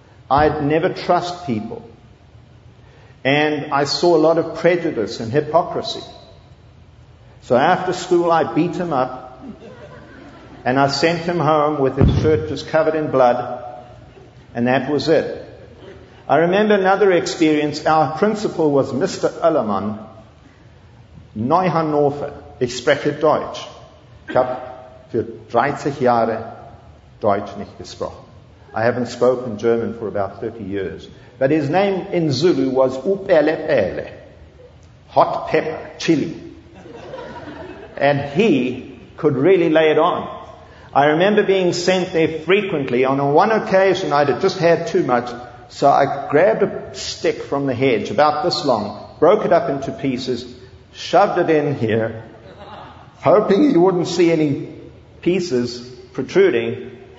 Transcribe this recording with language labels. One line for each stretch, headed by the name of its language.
English: I'd never trust people. And I saw a lot of prejudice and hypocrisy. So after school, I beat him up. And I sent him home with his shirt just covered in blood. And that was it. I remember another experience. Our principal was Mr.
German: Ullermann, Neuhannover, ich spreche Deutsch. Ich habe für 30 Jahre Deutsch nicht gesprochen.
English: I haven't spoken German for about 30 years. But his name in Zulu was Upelepele, hot pepper, chili. And he could really lay it on. I remember being sent there frequently. On one occasion, I had just had too much. So I grabbed a stick from the hedge, about this long, broke it up into pieces, shoved it in here, hoping you wouldn't see any pieces protruding.